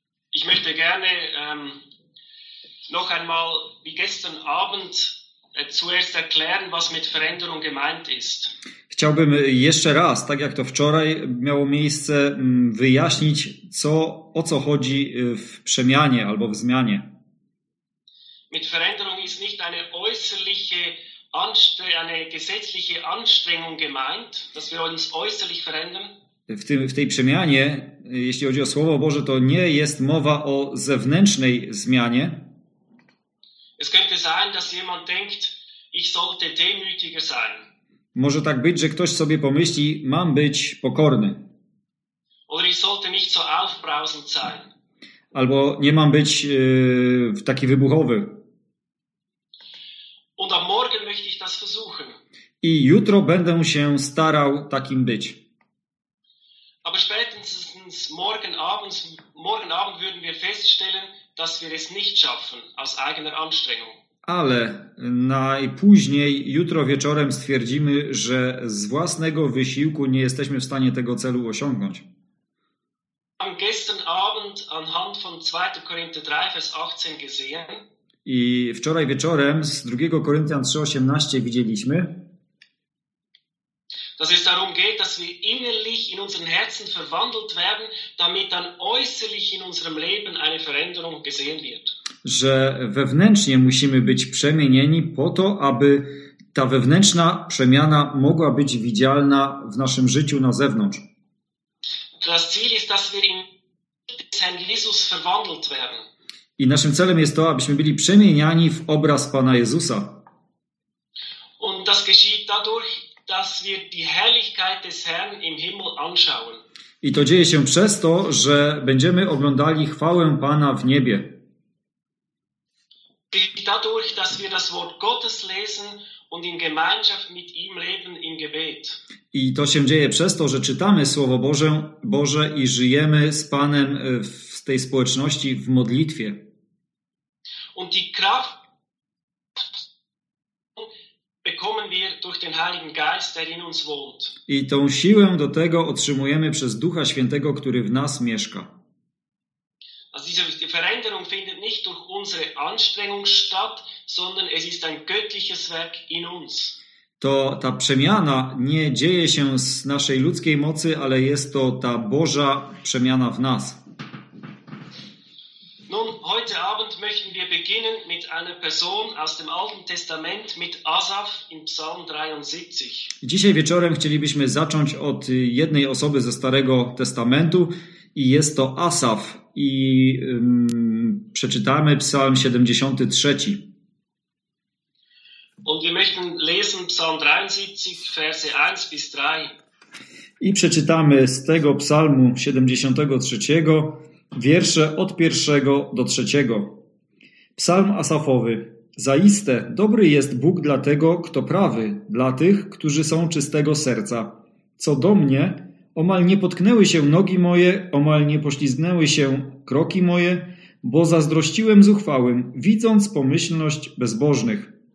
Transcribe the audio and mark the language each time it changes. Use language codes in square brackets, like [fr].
[de] Ich möchte gerne noch einmal wie gestern Abend zuerst erklären, was mit Veränderung gemeint ist. [pl] Chciałbym jeszcze raz, tak jak to wczoraj miało miejsce, wyjaśnić, o co chodzi w przemianie albo w zmianie. [de] Mit Veränderung ist nicht eine äußerliche eine gesetzliche Anstrengung gemeint, dass wir uns äußerlich verändern. [pl] W tej przemianie, jeśli chodzi o Słowo Boże, to nie jest mowa o zewnętrznej zmianie. [de] Es könnte sein, dass jemand denkt, ich sollte demütiger sein. [pl] Może tak być, że ktoś sobie pomyśli, mam być pokorny. [de] Oder ich sollte nicht so aufbrausend sein. [pl] Albo nie mam być taki wybuchowy. [de] Und am morgen möchte ich das versuchen. [pl] I jutro będę się starał takim być. [de] Aber spätestens morgen Abend würden wir feststellen, dass wir es nicht schaffen, aus eigener Anstrengung. [pl] Ale najpóźniej jutro wieczorem stwierdzimy, że z własnego wysiłku nie jesteśmy w stanie tego celu osiągnąć. [de] Gestern Abend anhand von 2. Korinther 3, Vers 18 gesehen. [pl] I wczoraj wieczorem z 2 Koryntian 3:18 widzieliśmy, [de] dass es darum geht, dass wir innerlich in unseren Herzen verwandelt werden, damit dann äußerlich in unserem Leben eine Veränderung gesehen wird. [pl] Że wewnętrznie musimy być przemienieni po to, aby ta wewnętrzna przemiana mogła być widzialna w naszym życiu na zewnątrz. [de] Das Ziel ist, dass wir in Herrn Jesus verwandelt werden. [pl] I naszym celem jest to, abyśmy byli przemieniani w obraz Pana Jezusa. [de] Und das geschieht dadurch, dass wir die Herrlichkeit des Herrn im Himmel anschauen. [pl] I to dzieje się przez to, że będziemy oglądali chwałę Pana w niebie. [de] Dadurch, dass wir das Wort Gottes lesen und in Gemeinschaft mit ihm leben im Gebet. [pl] I to się dzieje przez to, że czytamy Słowo Boże i żyjemy z Panem w tej społeczności w modlitwie. [de] Und die Kraft bekommen wir durch den Heiligen Geist, der in uns wohnt. [pl] I tą siłę do tego otrzymujemy przez Ducha Świętego, który w nas mieszka. [de] Also diese Veränderung findet nicht durch unsere Anstrengung statt, sondern es ist ein göttliches Werk in uns. [pl] To ta przemiana nie dzieje się z naszej ludzkiej mocy, ale jest to ta Boża przemiana w nas. [de] Nun, heute Abend möchten wir beginnen mit einer Person aus dem Alten Testament, mit Asaf in Psalm 73. [pl] Dzisiaj wieczorem chcielibyśmy zacząć od jednej osoby ze Starego Testamentu i jest to Asaf. I przeczytamy Psalm 73. [de] Und wir möchten lesen Psalm 73, Verse 1 bis 3. [pl] I przeczytamy z tego Psalmu 73 wiersze od 1 do 3. Psalm Asafowy. Zaiste, dobry jest Bóg dla tego, kto prawy, dla tych, którzy są czystego serca. Co do mnie, omal nie potknęły się nogi moje, omal nie poślizgnęły się kroki moje, bo zazdrościłem zuchwałym, widząc pomyślność bezbożnych.